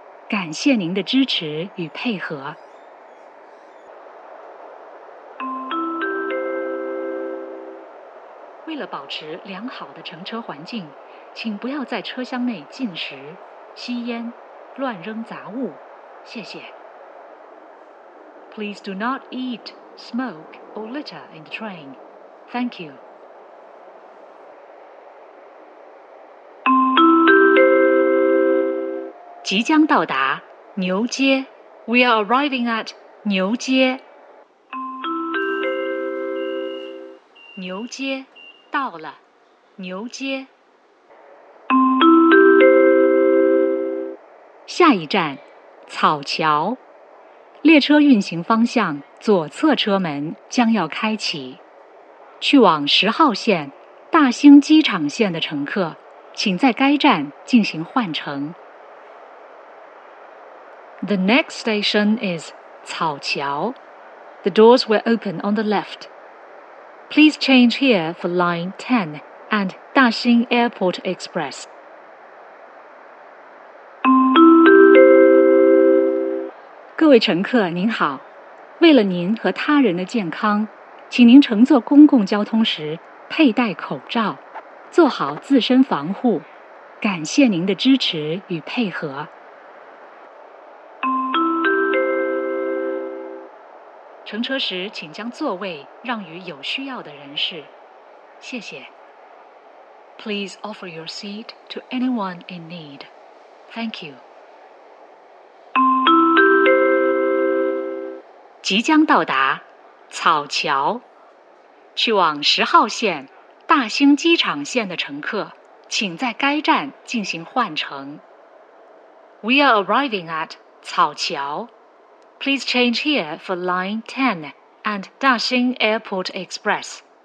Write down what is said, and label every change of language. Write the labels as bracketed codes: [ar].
[zh] 感谢您的支持与配合。为了保持良好的乘车环境，请不要在车厢内进食、吸烟、乱扔杂物。谢谢。 [en] Please do not eat, smoke, or litter in the train. Thank you. [zh] 即将到达牛街。 [en] We are arriving at [zh] 牛街。牛街。到了，牛街。下一站，草桥。列车运行方向，左侧车门将要开启。去往十号线、大兴机场线的乘客，请在该站进行换乘。 [en] The next station is 草桥。The doors will open on the left. Please change here for line 10 and 大兴 Airport Express. [zh] 各位乘客您好，为了您和他人的健康，请您乘坐公共交通时佩戴口罩，做好自身防护。感谢您的支持与配合。乘车时请将座位让与有需要的人士。谢谢。 [en] Please offer your seat to anyone in need. Thank you. [zh] 即将到达草桥。去往十号线、大兴机场线的乘客，请在该站进行换乘。 [en] We are arriving at 草桥。 Please change here for line 10 and 大兴 Airport Express.